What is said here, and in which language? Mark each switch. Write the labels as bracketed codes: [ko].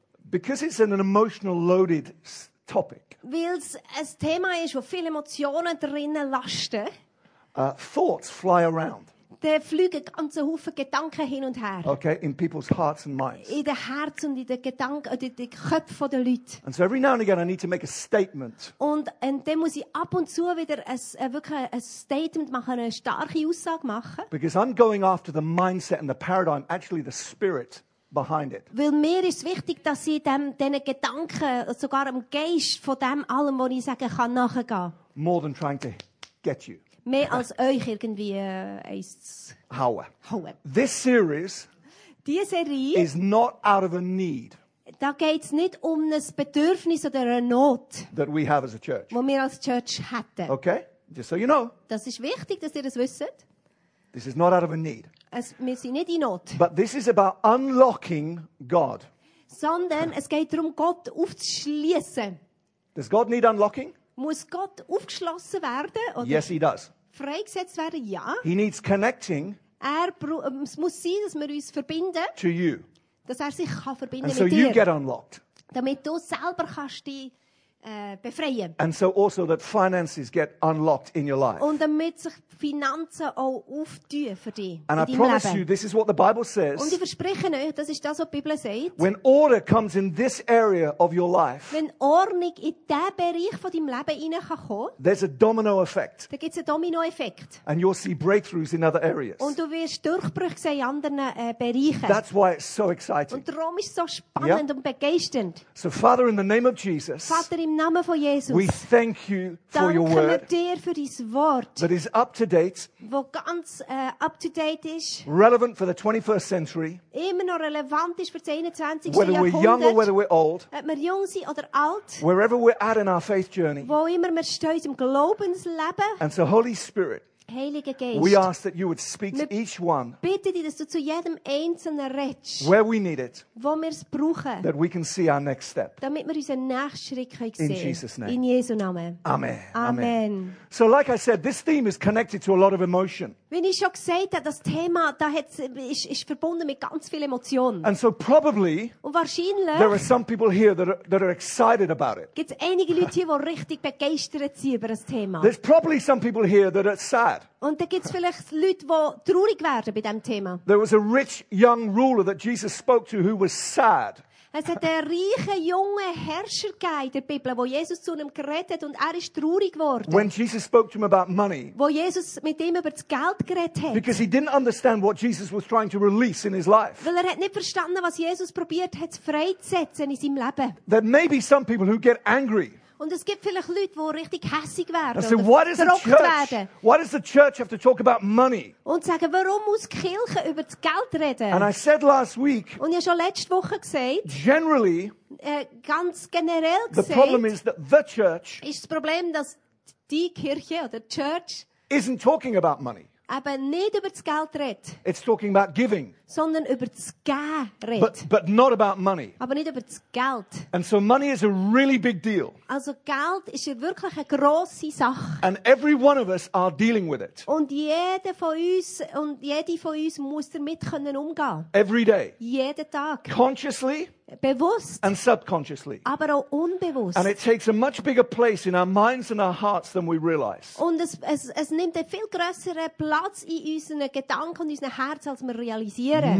[en] Because it's an emotional loaded topic. [de] Weil es ein Thema ist, wo viele Emotionen drinnen lasten. [en] Thoughts fly around. [de] Da fliegen ganze Haufen Gedanken hin und her. [en] Okay, in people's hearts and minds. [de] In den Herzen und in den Gedanken, in den Köpfen der Leute. [en] And so every now and again I need to make a statement. [de] Und dann muss ich ab und zu wieder ein Statement machen, eine starke Aussage machen. [en] Because I'm going after the mindset and the paradigm, actually the spirit behind it. [de] Weil mir ist wichtig, dass ich diesen Gedanken, sogar dem Geist von dem allem, was ich sage, kann nachgehen. [en] More than trying to get you. [de] Mehr als euch irgendwie eins hauen. [en] This series, [de] die Serie, [en] is not out of a need. [de] Da geht's nicht um ein Bedürfnis oder eine Not, [en] that we have as a church. [de] Wo wir als Church hätten. [en] Okay, just so you know. [de] Das ist wichtig, dass ihr das wisst. [en] This is not out of a need. [de] Wir sind nicht in Not. [en] But this is about unlocking God. [de] Sondern es geht darum, Gott aufzuschließen. [en] Does God need unlocking? [de] Muss Gott aufgeschlossen werden? [en] Oder yes, he does. [de] Freigesetzt werden? Ja. [en] He needs connecting. [de] Es muss sein, dass wir uns verbinden. [en] To you. [de] Dass er sich kann verbinden [en] and so [de] mit [en] you [de] dir. [en] Get unlocked. [de] Damit du selber kannst die befreien. [en] And so also that finances get unlocked in your life. [de] Und damit sich Finanzen auch auftun für dich. [en] And I promise you, this is what the Bible says. [de] Und ich verspreche euch, das ist das, was die Bibel sagt. [en] When order comes in this area of your life. [de] Wenn Ordnung in diesen Bereich von deinem Leben hinein kann kommen. [en] There's a domino effect. [de] Da gibt's einen Dominoeffekt. [en] And you'll see breakthroughs in other areas. [de] Und du wirst Durchbrüche sehen in anderen Bereichen. [en] That's why it's so exciting. [de] Und darum ist es so spannend, yep, und begeisternd. [en] So Father, in the name of Jesus. [de] Vater, im Namen von Jesus. [en] We thank you for your word. [de] Danken wir dir für dein Wort. [en] That is up to date. [de] Wo ganz up to date ist. [en] Relevant for the 21st century. [de] Immer noch relevant ist für das 21. Jahrhundert. [en] Whether we're young or whether we're old. [de] Ob wir jung sind oder alt. [en] Wherever we're at in our faith journey. [de] Wo immer wir stehen im Glaubensleben. [en] And so Holy Spirit. [de] Heiliger Geist. [en] We ask that you would speak to each one. [de] Bitte dich, dass du zu jedem einzelnen redest. [en] Where we need it. [de] Wo wir es brauchen. [en] That we can see our next step. [de] Damit wir unseren nächsten Schritt sehen können. [en] In Jesus name. [de] In Jesu Namen. [en] Amen. [de] Amen. [en] So like I said, this theme is connected to a lot of emotion. [de] Wie ich schon gesagt habe, das Thema da ist verbunden mit ganz viel Emotionen. [en] And so probably. [de] Und wahrscheinlich. [en] There are some people here that are excited about it. [de] Gibt's einige Leute hier, die richtig begeistert sind über das Thema. [en] There's probably some people here that are sad. [de] Und da gibt's vielleicht Leute, die traurig werden bei diesem Thema. [en] There was a rich young ruler that Jesus spoke to who was sad. [de] Es hat einen reichen, jungen Herrscher in der Bibel, wo Jesus zu ihm geredet hat und er ist traurig geworden. [en] When Jesus spoke to him about money, [de] wo Jesus mit ihm über das Geld geredet hat. [en] Because he didn't understand what Jesus was trying to release in his life. [de] Weil er hat nicht verstanden, was Jesus probiert hat, freizusetzen in seinem Leben. [en] There may be some people who get angry. [de] Und es gibt vielleicht Leute, die richtig hässig werden. [en] So, what is the church? What does the church have to talk about money? [de] Und sagen, warum muss die Kirche über das Geld reden? [en] And I said last week. [de] Und ich habe schon letzte Woche gesagt. [en] Generally. [de] Ganz generell gesagt. [en] The problem is that the church. [de] Ist das Problem, dass die Kirche oder die Church. [en] Isn't talking about money. [de] Aber nicht über das Geld redet. [en] It's talking about giving. [de] Sondern über das Geben redet. [en] But not about money. [de] Aber nicht über das Geld. [en] And so money is a really big deal. [de] Also Geld ist ja wirklich eine grosse Sache. [en] And every one of us are dealing with it. [de] Und jeder von uns und jede von uns muss damit können umgehen. [en] Every day. [de] Jeden Tag. [en] Consciously. [de] Bewusst. [en] And subconsciously. [de] Aber auch unbewusst. [en] And it takes a much bigger place in our minds and our hearts than we realize. [de] Und es nimmt einen viel grösseren Platz in unseren Gedanken und unseren Herzen, als wir realisieren.